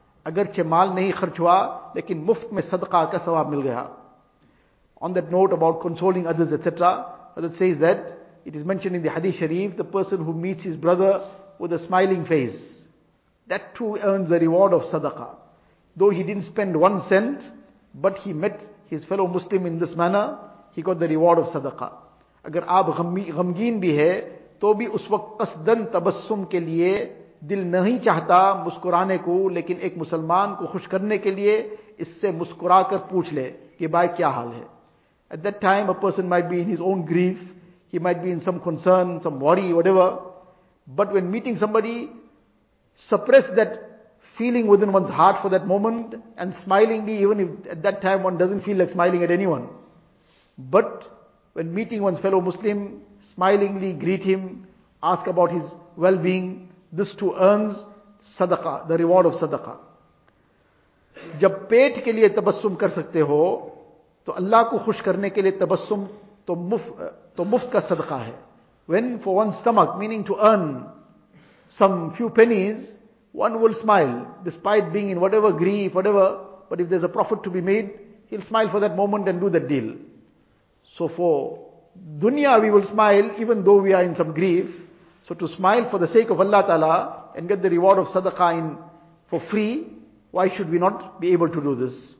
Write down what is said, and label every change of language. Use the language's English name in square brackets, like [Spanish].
[Urdu] اگرچہ مال نہیں خرچ ہوا لیکن مفت میں صدقہ کا ثواب مل گیا. [English] On that note about consoling others, etc., Hazrat says that it is mentioned in the Hadith Sharif, the person who meets his brother with a smiling face, that too earns the reward of sadaqah. Though he didn't spend one cent, but he met his fellow Muslim in this manner, he got the reward of sadaqah. [Urdu] اگر آپ غمگین بھی ہے تو بھی اس وقت قصدن تبسم کے لیے دل نہیں چاہتا مسکرانے کو, لیکن ایک مسلمان کو خوش کرنے کے لیے اس سے مسکرا کر پوچھ لے کہ بھائی کیا حال ہے. [English] At that time a person might be in his own grief, he might be in some concern, some worry, whatever, but when meeting somebody, suppress that feeling within one's heart for that moment and smilingly, even if at that time one doesn't feel like smiling at anyone, but when meeting one's fellow Muslim, smilingly greet him, ask about his well-being. This too earns sadaqah, the reward of sadaqah. [Urdu] جب پیٹ کے لیے تبسم کر سکتے ہو تو اللہ کو خوش کرنے کے لیے تبسم تو مفت کا صدقہ ہے. [English] When for one's stomach, meaning to earn some few pennies, One will smile, despite being in whatever grief, whatever, but if there's a profit to be made, he'll smile for that moment and do that deal. So for dunya, we will smile even though we are in some grief. So to smile for the sake of Allah Ta'ala and get the reward of sadaqah in for free, why should we not be able to do this?